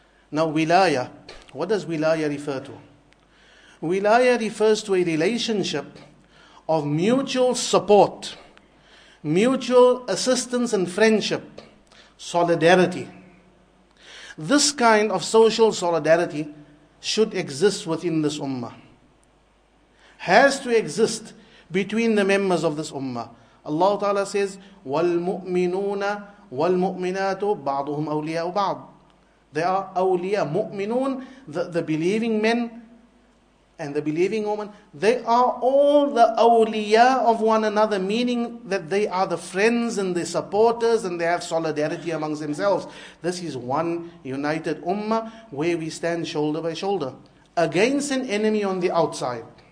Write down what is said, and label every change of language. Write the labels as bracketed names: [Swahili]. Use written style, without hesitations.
[English] Now, wilaya, what does wilaya refer to? Wilaya refers to a relationship of mutual support, mutual assistance and friendship, solidarity. This kind of social solidarity should exist within this ummah. has to exist between the members of this ummah. Allah Ta'ala says, [Arabic] وَالْمُؤْمِنُونَ وَالْمُؤْمِنَاتُ بَعْضُهُمْ أَوْلِيَاءُ بَعْضٍ. [English] They are awliya, mu'minun, the believing men and the believing woman. They are all the awliya of one another, meaning that they are the friends and the supporters and they have solidarity amongst themselves. This is one united ummah where we stand shoulder by shoulder against an enemy on the outside.